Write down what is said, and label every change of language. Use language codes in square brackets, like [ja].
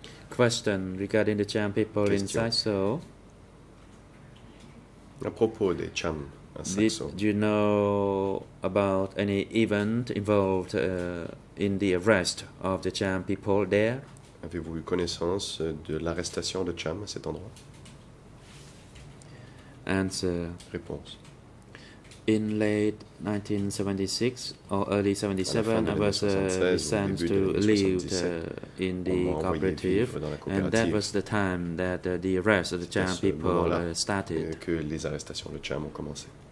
[en] Question regarding the Cham people in Saxo. [fr] À propos des Cham à Saxo. [en] Do you know about any event involved in the arrest of the Cham people there? [fr] Avez-vous eu connaissance de l'arrestation de Cham à cet endroit? [en] Answer. [fr] Réponse. [en] In late 1976 or early 1977, I was sent to live in the cooperative, and that was the time that the arrest of the Cham people started. [fr] Que les arrestations de Cham ont commencé.